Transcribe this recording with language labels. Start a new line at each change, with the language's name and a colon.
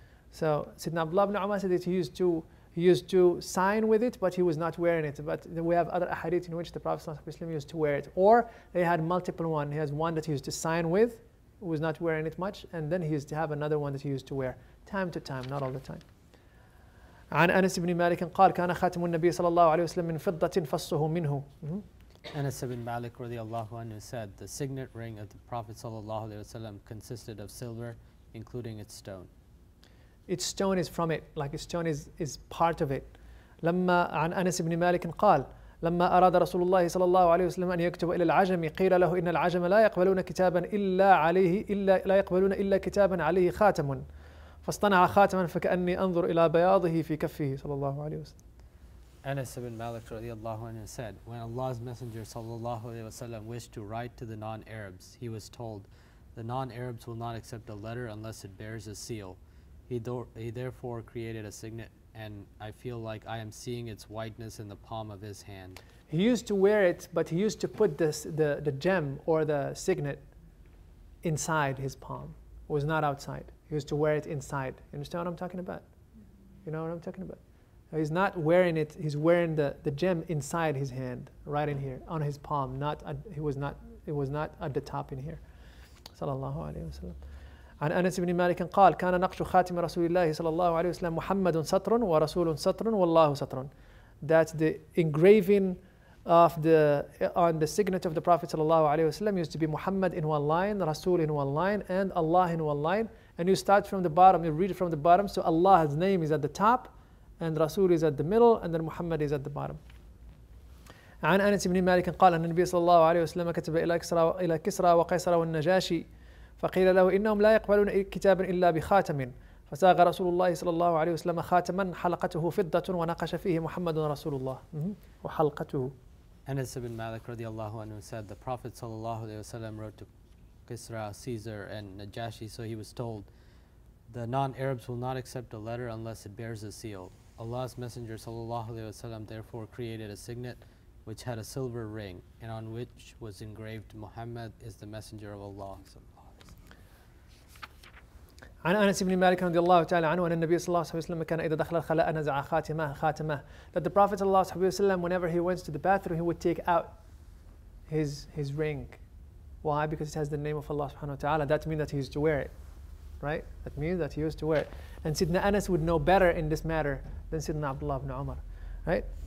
English: So Sayyidina Abdullah ibn Umar said that he used to sign with it, but he was not wearing it. But we have other ahadith in which the Prophet ﷺ used to wear it. Or they had multiple one. He has one that he used to sign with, was not wearing it much, and then he used to have another one that he used to wear time to time, not all the time.
Arabic: عن أنس بن مالك قال كان خاتم النبي صلى الله عليه وسلم من فضة فصه منه.
English: Anas ibn Malik رضي الله عنه said the signet ring of the Prophet ﷺ consisted of silver, including its stone. Its stone is from it, like its stone is part of it.
Arabic: لما عن أنس بن مالك قال لما أراد رسول الله صلى الله عليه وسلم أن يكتب إلى العجم قيل له إن العجم لا يقبلون كتابا إلا عليه إلا لا يقبلون إلا كتابا عليه خاتم فاصطنع خاتما فكأني أنظر إلى بياضه في كفه صلى الله عليه وسلم.
English: Anas ibn Malik رضي الله عنه said when Allah's messenger صلى الله عليه وسلم wished to write to the non-Arabs, he was told the non-Arabs will not accept a letter unless it bears a seal. He therefore created a signet, and I feel like I am seeing its whiteness in the palm of his hand. He used to wear it, but he used to put the gem or the signet inside his palm. It was not outside. He used to wear it inside. You understand what I'm talking about? You know what I'm talking about? He's not wearing it. He's wearing the gem inside his hand, right in here, on his palm. It was not at the top in here. Sallallahu alayhi wa sallam.
Arabic: عن أنس بن مالك قال كان نقش خاتم رسول الله صلى الله عليه وسلم محمد سطر ورسول سطر والله سطر.
English: That the engraving of on the signet of the Prophet صلى الله عليه وسلم used to be Muhammad in one line, Rasul in one line, and Allah in one line. And you start from the bottom, you read it from the bottom. So Allah's name is at the top, and Rasul is at the middle, and then Muhammad is at the bottom.
Arabic: عن أنس بن مالك قال أن النبي صلى الله عليه وسلم كتب إلى كسرى وقيصر والنجاشي فقيل له إنهم لا يقبلون كتابا إلا بخاتم فساغ رسول الله صلى الله عليه وسلم خاتما حلقته فضة ونقش فيه محمد رسول الله وحلقته.
English: Anas ibn Malik رضي الله عنه said the Prophet صلى الله عليه وسلم wrote to Kisra, Caesar and Najashi, so he was told the non-Arabs will not accept a letter unless it bears a seal. Allah's messenger صلى الله عليه وسلم therefore created a signet which had a silver ring and on which was engraved Muhammad is the messenger of Allah.
Arabic: عن أنس بن مالك رضي الله تعالى عنه أن النبي صلى الله عليه وسلم كان إذا دخل الخلاء نزع خاتمه.
English: That the Prophet صلى الله عليه وسلم, whenever he went to the bathroom, he would take out his ring. Why? Because it has the name of Allah سبحانه وتعالى. That means that he used to wear it, right? That means that he used to wear it. And سيدنا أنس would know better in this matter than سيدنا عبد الله بن عمر, right?